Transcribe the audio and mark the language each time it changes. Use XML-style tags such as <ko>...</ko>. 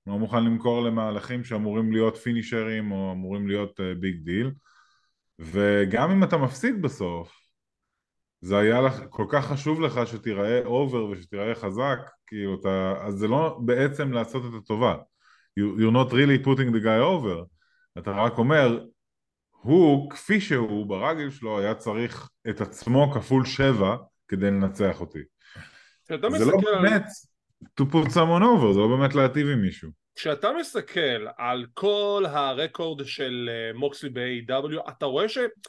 <he>לא מוכן למכור למהלכים שאמורים להיות פינישרים או אמורים להיות ביג דיל. וגם אם אתה מפסיד בסוף, זה היה לך, כל כך חשוב לך שתיראה אובר ושתיראה חזק, כאילו אתה, אז זה לא בעצם לעשות את הטובה.</he> <en>You're not really putting the guy over.</en> <he>אתה רק אומר, הוא, כפי שהוא, ברגל שלו, היה צריך את עצמו כפול שבע כדי לנצח אותי. כשאתה מסתכל... זה לא באמת</he> <en>to put someone over,</en> <he>זה לא באמת להטיב עם מישהו. כשאתה מסתכל על כל הרקורד של מוקסלי ב-AEW, אתה רואה ש...</he>